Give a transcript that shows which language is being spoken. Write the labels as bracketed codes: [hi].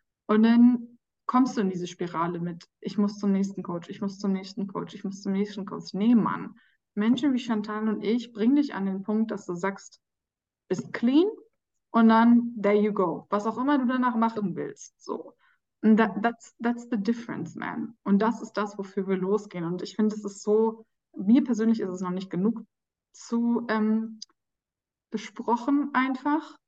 [de] Und dann kommst du in diese Spirale mit, ich muss zum nächsten Coach, ich muss zum nächsten Coach, ich muss zum nächsten Coach. Nee, Mann. Menschen wie Chantal und ich bringen dich an den Punkt, dass du sagst, bist clean. Und dann, [en] there you go. [de] Was auch immer du danach machen willst. So. [en] And that's the difference, man. [de] Und das ist das, wofür wir losgehen. Und ich finde, es ist so, mir persönlich ist es noch nicht genug zu besprochen einfach.